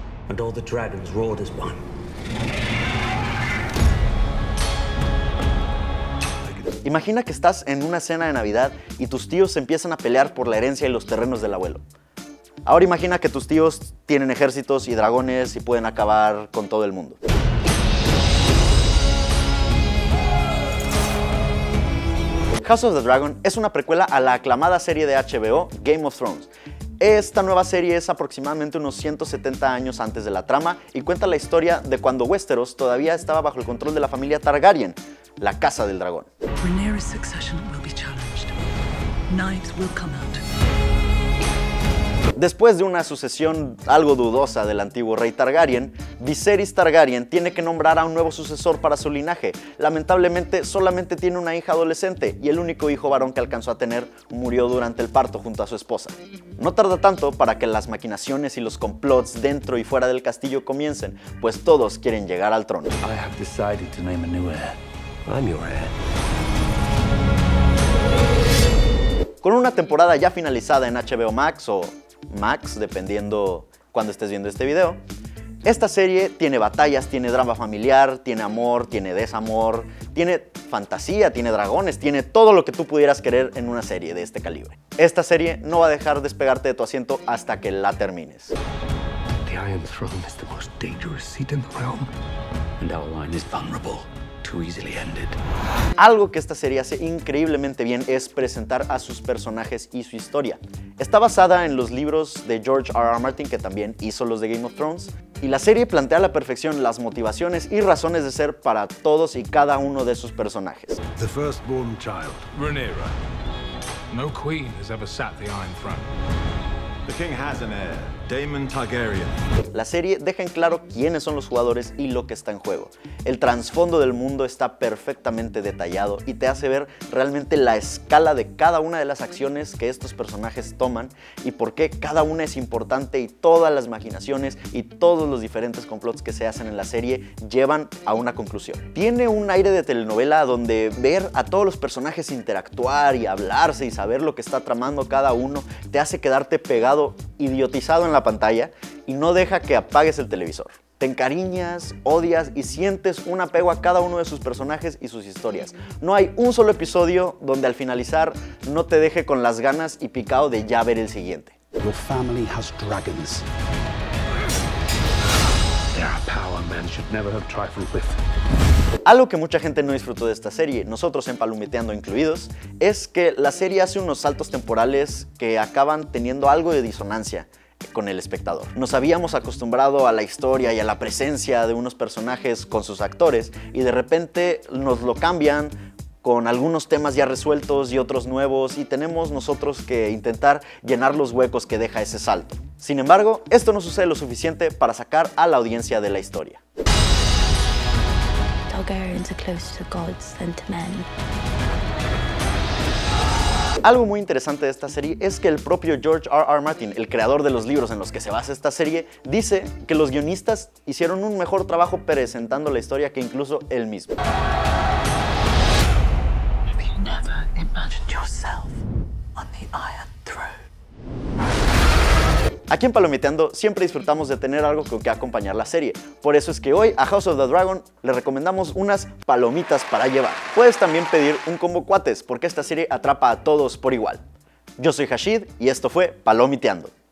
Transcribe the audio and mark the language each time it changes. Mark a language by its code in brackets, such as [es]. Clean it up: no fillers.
[en] And all the dragons roared as one. [es] Imagina que estás en una cena de Navidad y tus tíos empiezan a pelear por la herencia y los terrenos del abuelo. Ahora imagina que tus tíos tienen ejércitos y dragones y pueden acabar con todo el mundo. House of the Dragon es una precuela a la aclamada serie de HBO, Game of Thrones. Esta nueva serie es aproximadamente unos 170 años antes de la trama y cuenta la historia de cuando Westeros todavía estaba bajo el control de la familia Targaryen, la Casa del Dragón. [en] Rhaenyra's succession will be challenged. Knives will come out. [es] Después de una sucesión algo dudosa del antiguo rey Targaryen, Viserys Targaryen tiene que nombrar a un nuevo sucesor para su linaje. Lamentablemente, solamente tiene una hija adolescente y el único hijo varón que alcanzó a tener murió durante el parto junto a su esposa. No tarda tanto para que las maquinaciones y los complots dentro y fuera del castillo comiencen, pues todos quieren llegar al trono. [en] I have decided to name a new heir. I'm your heir. [es] Con una temporada ya finalizada en HBO Max o Max, dependiendo cuando estés viendo este video, esta serie tiene batallas, tiene drama familiar, tiene amor, tiene desamor, tiene fantasía, tiene dragones, tiene todo lo que tú pudieras querer en una serie de este calibre. Esta serie no va a dejar despegarte de tu asiento hasta que la termines. [en] The Iron Throne is the most dangerous seat in the realm, and our line is vulnerable. Too easily ended. [es] Algo que esta serie hace increíblemente bien es presentar a sus personajes y su historia. Está basada en los libros de George R. R. Martin, que también hizo los de Game of Thrones, y la serie plantea a la perfección las motivaciones y razones de ser para todos y cada uno de sus personajes. [en] The firstborn child, Rhaenyra. No queen has ever sat the Iron Throne. The king has an heir, Daemon Targaryen. [es] La serie deja en claro quiénes son los jugadores y lo que está en juego. El trasfondo del mundo está perfectamente detallado y te hace ver realmente la escala de cada una de las acciones que estos personajes toman y por qué cada una es importante y todas las maquinaciones y todos los diferentes complots que se hacen en la serie llevan a una conclusión. Tiene un aire de telenovela donde ver a todos los personajes interactuar y hablarse y saber lo que está tramando cada uno te hace quedarte pegado, idiotizado en la pantalla y no deja que apagues el televisor. Te encariñas, odias y sientes un apego a cada uno de sus personajes y sus historias. No hay un solo episodio donde al finalizar no te deje con las ganas y picado de ya ver el siguiente. [en] Your family has dragons. They're a power man should never have trifled with. [es] Algo que mucha gente no disfrutó de esta serie, nosotros en Palomiteando incluidos, es que la serie hace unos saltos temporales que acaban teniendo algo de disonancia con el espectador. Nos habíamos acostumbrado a la historia y a la presencia de unos personajes con sus actores y de repente nos lo cambian con algunos temas ya resueltos y otros nuevos y tenemos nosotros que intentar llenar los huecos que deja ese salto. Sin embargo, esto no sucede lo suficiente para sacar a la audiencia de la historia. [en] Targaryens are closer to gods than to men. [es] Algo muy interesante de esta serie es que el propio George R. R. Martin, el creador de los libros en los que se basa esta serie, dice que los guionistas hicieron un mejor trabajo presentando la historia que incluso él mismo. [en] Have you never imagined yourself on the Iron Throne? [es] Aquí en Palomiteando siempre disfrutamos de tener algo con que acompañar la serie. Por eso es que hoy a House of the Dragon le recomendamos unas palomitas para llevar. Puedes también pedir un combo cuates porque esta serie atrapa a todos por igual. Yo soy Hashid y esto fue Palomiteando.